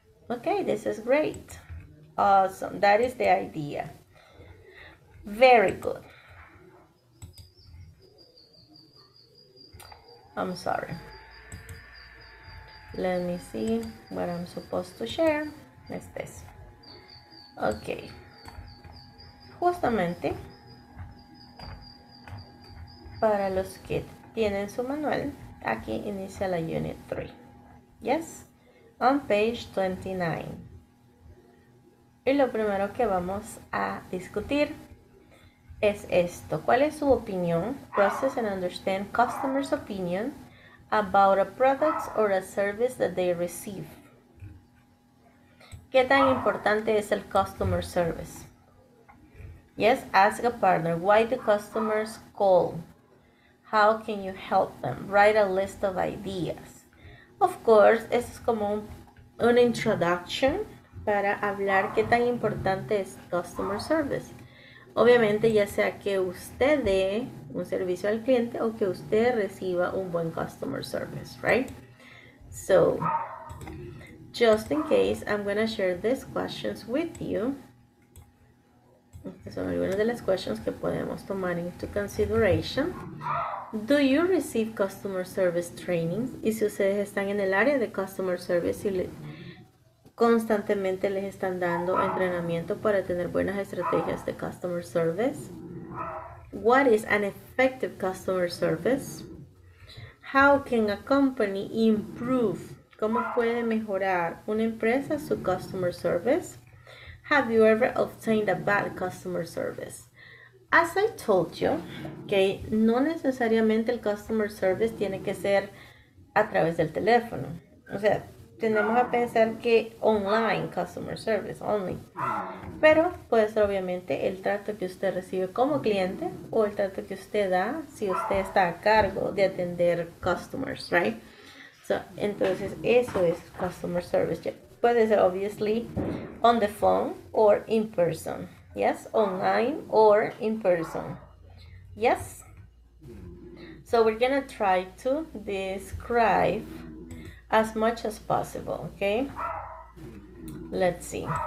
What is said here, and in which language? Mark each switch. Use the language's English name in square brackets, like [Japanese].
[English] Okay, this is great. Awesome. That is the idea. Very good. I'm sorry. Let me see what I'm supposed to share. Next this. Okay. [Spanish] Justamente para los que tienen su manual, aquí inicia la unit 3. Yes? [English] On page 29. [Spanish] Y lo primero que vamos a discutir es esto. ¿Cuál es su opinión? [English] Process and understand customers' opinion about a product or a service that they receive. [Spanish] ¿Qué tan importante es el customer service? [English] Yes, ask a partner. Why do customers call? How can you help them? Write a list of ideas. [Spanish] Of course, esto es como una introduction para hablar qué tan importante es customer service. Obviamente, ya sea que usted dé un servicio al cliente o que usted reciba un buen customer service, right? [English] So, just in case, I'm going to share these questions with you. [Spanish] Estas son algunas de las questions que podemos tomar [English] into consideration. Do you receive customer service trainings? [Spanish] Y si ustedes están en el área de customer service y constantemente les están dando entrenamiento para tener buenas estrategias de customer service. [English] What is an effective customer service? How can a company improve? [Spanish] ¿Cómo puede mejorar una empresa su customer service? [English] Have you ever obtained a bad customer service? As I told you, okay, [Spanish] no necesariamente el customer service tiene que ser a través del teléfono. O sea, tenemos a pensar que online customer service only. Pero puede ser obviamente el trato que usted recibe como cliente o el trato que usted da si usted está a cargo de atender customers, right? So, entonces, eso es customer service. Yeah. Puede ser [English] obviously on the phone or in person. Yes, online or in person. Yes? So we're gonna try to describe as much as possible, okay? Let's see.